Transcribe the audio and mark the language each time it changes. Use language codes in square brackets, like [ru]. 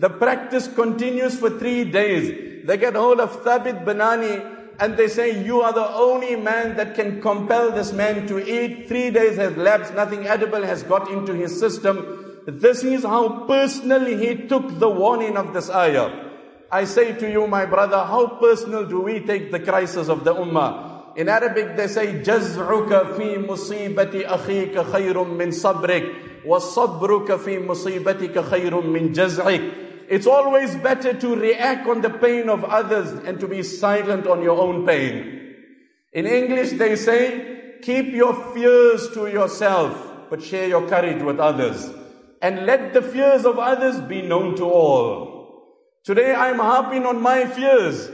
[en] The practice continues for 3 days. They get hold of Thabit Banani and they say, you are the only man that can compel this man to eat. 3 days has lapsed, nothing edible has got into his system. This is how personally he took the warning of this ayah. I say to you, my brother, how personal do we take the crisis of the ummah? In Arabic, they say, [ar] جَزْعُكَ فِي مُصِيبَةِ أَخِيكَ خَيْرٌ مِّن صَبْرِكَ وَصَبْرُكَ فِي مُصِيبَتِكَ خَيْرٌ مِّن جَزْعِكَ. [en] It's always better to react on the pain of others and to be silent on your own pain. In English, they say, keep your fears to yourself, but share your courage with others. And let the fears of others be known to all. Today, I'm harping on my fears.